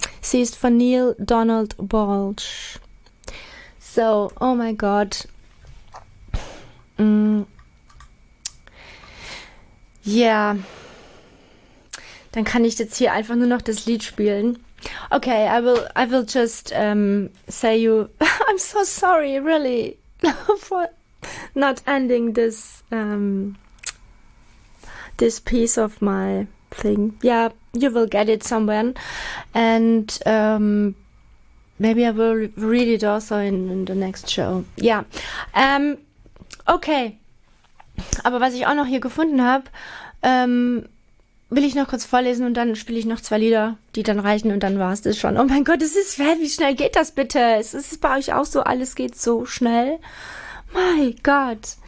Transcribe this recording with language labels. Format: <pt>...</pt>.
<de>Sie ist von Neil Donald Walsh.</de> <en>So, oh my God.</en> <de>Yeah. Dann kann ich jetzt hier einfach nur noch das Lied spielen.</de> <en>Okay, I will just say you. I'm so sorry, really, for not ending this this piece of my thing. Yeah, you will get it somewhere, and maybe I will read it also in the next show. Yeah. Okay.</en> <de>Aber was ich auch noch hier gefunden habe, will ich noch kurz vorlesen und dann spiele ich noch zwei Lieder, die dann reichen und dann war's das schon. Oh mein Gott, es ist fett, wie schnell geht das bitte? Es ist bei euch auch so, alles geht so schnell.</de> <en>My God.</en>